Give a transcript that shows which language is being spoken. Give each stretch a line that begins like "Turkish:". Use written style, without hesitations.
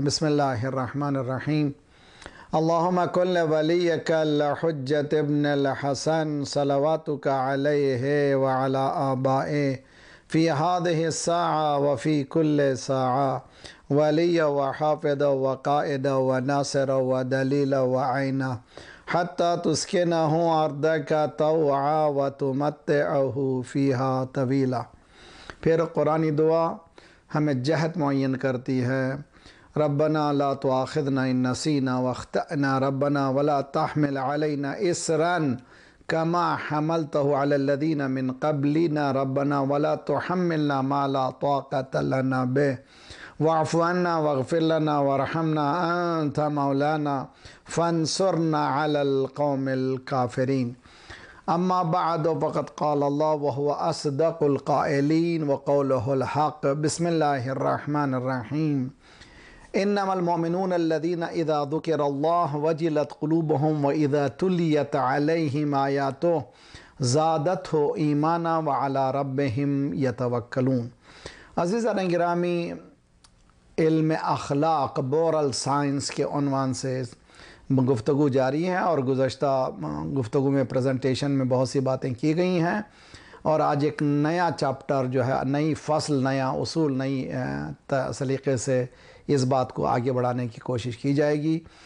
Arabic: بسم اللہ الرحمن الرحیم. اللہم کل ولیک الحجت ابن الحسن صلواتک علیہ وعلی آبائے فی هذه الساعة وفی کل ساعة، ولی وحافظ وقائد وناصر ودلیل وعین، حتى تسكنه أرضك طوعا وتمتعه فيها طويلا.
Urdu: پھر قرآنی دعا ہمیں جہت معین کرتی ہے.
Arabic: ربنا لا تؤاخذنا ان نسينا واخطأنا، ربنا ولا تحمل علينا اسرا كما حملته على الذين من قبلنا، ربنا ولا تحملنا ما لا طاقة لنا به، واعف عنا واغفر لنا وارحمنا، انت مولانا فانصرنا على القوم الكافرين. اما بعد، فقد قال الله وهو اصدق القائلين وقوله الحق. بسم الله الرحمن الرحيم. انما المؤمنون الذين اذا ذكر الله وجلت قلوبهم واذا تليت عليهم اياته زادته ايمانا وعلى ربهم يتوكلون.
Urdu: عزیزان گرامی، علم اخلاق بورل سائنس کے عنوان سے گفتگو جاری ہے، اور گزشتہ گفتگو میں پریزنٹیشن میں بہت سی باتیں کی گئی ہیں، اور آج ایک نیا چپٹر جو ہے، نئی فصل، نیا اصول، نئی سلیقے سے اس بات کو آگے بڑھانے کی کوشش کی جائے گی.